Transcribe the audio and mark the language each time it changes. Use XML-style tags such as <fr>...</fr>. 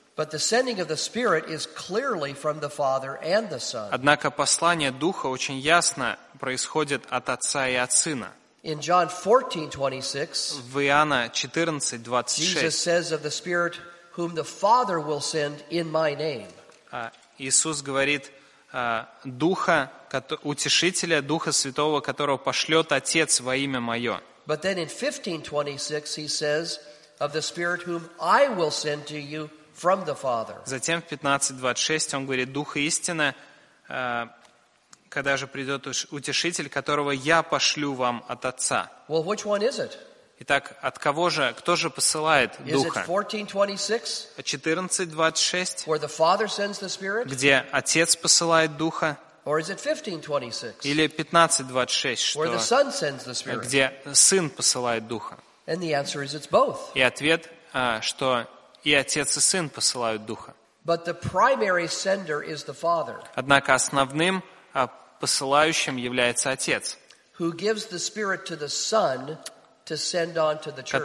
<en>But the sending of the Spirit is clearly from the Father and the Son.</en> <ru>Однако послание Духа очень ясно происходит от Отца и от Сына.</ru> <en>In John 14:26,</en> <ru>в Иоанна 14:26,</ru> <en>Jesus says of the Spirit, whom the Father will send in my name.</en> <ru>Иисус говорит Духа, Утешителя, Духа Святого, которого пошлет Отец во имя Мое.</ru> <en>But then in 15:26, He says of the Spirit, whom I will send to you. From the Father.</en> <ru>Затем в 15:26 он говорит: Дух истины, когда же придет Утешитель, которого я пошлю вам от Отца.</ru> <en>Well, which one is it?</en> <ru>Итак, от кого же, кто же посылает Духа?</ru> <en>14:26, where the Father sends the Spirit?</en> <ru>Где Отец посылает Духа?</ru> <en>Or is it 15:26?</en> <ru>Или 15:26,</ru> <en>where the Son sends the Spirit?</en> <ru>Где Сын посылает Духа?</ru> <en>And the answer is it's both.</en> <ru>И ответ, что и Отец, и Сын посылают Духа.</ru> <en>But the primary sender is the Father.</en> <ru>Однако основным посылающим является Отец.</ru> <en>Who gives the Spirit to the Son to send on to the church.</en>